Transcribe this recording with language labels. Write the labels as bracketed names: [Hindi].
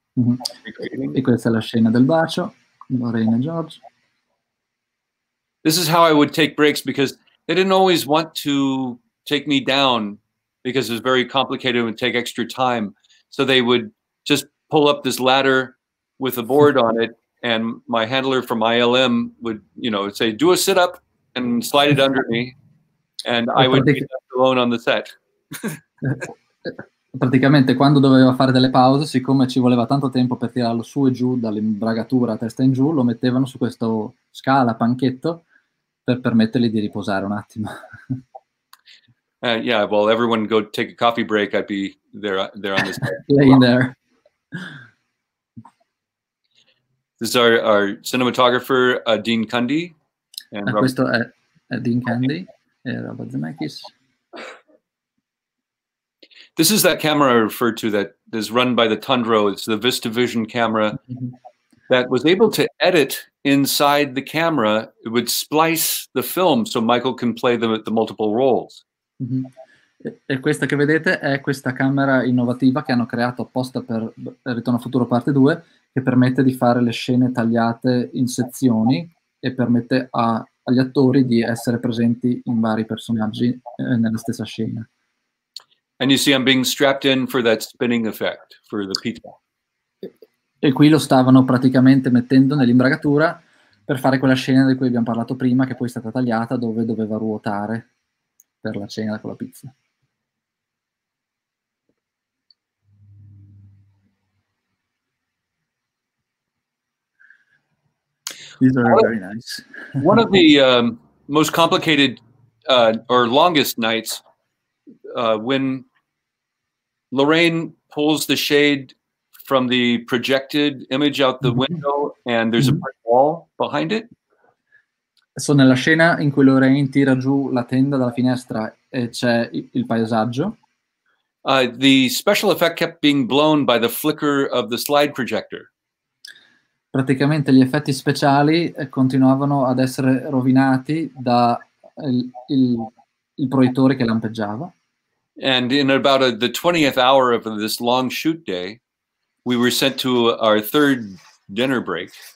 [Italian] Mm-hmm. E questa è la scena del bacio, Lorraine e George. [English] This is how I would take breaks because they didn't always want to take me down because it was very complicated and take extra time. So they would just pull up this ladder with a board on it, and my handler from ILM would, you know, say, do a sit up and slide it under me. And I would be left alone on the set. [Italian] Praticamente quando doveva fare delle pause, siccome ci voleva tanto tempo per tirarlo su e giù dall'imbragatura testa in giù, lo mettevano su questo scala, panchetto, per permettergli di riposare un attimo. [English] Yeah, well, everyone go take a coffee break, I'd be there on this set. Laying there. This is our cinematographer, Dean Cundy. [Italian] Questo è Dean Cundy e Robert Zemeckis. [English] This is that camera I referred to that is run by the Tundro. It's the VistaVision camera that was able to edit inside the camera. It would splice the film so Michael can play the multiple roles. Mm-hmm. [Italian] E questa che vedete è questa camera innovativa che hanno creato apposta per Ritorno al Futuro Parte 2, che permette di fare le scene tagliate in sezioni e permette agli attori di essere presenti in vari personaggi nella stessa scena. [English] And you see I'm being strapped in for that spinning effect for the pizza. [Italian] E qui lo stavano praticamente mettendo nell'imbragatura per fare quella scena di cui abbiamo parlato prima, che poi è stata tagliata, dove doveva ruotare per la cena con la pizza. [English] These are very nice. One of the most complicated or longest nights when Lorraine pulls the shade from the projected image out the window and there's a brick wall behind it. [Italian] So nella scena in cui Lorraine tira giù la tenda dalla finestra e c'è il paesaggio. [English] The special effect kept being blown by the flicker of the slide projector. [Italian] Praticamente gli effetti speciali continuavano ad essere rovinati da il proiettore che lampeggiava. [English] And in about the 20th hour of this long shoot day, we were sent to our third dinner break.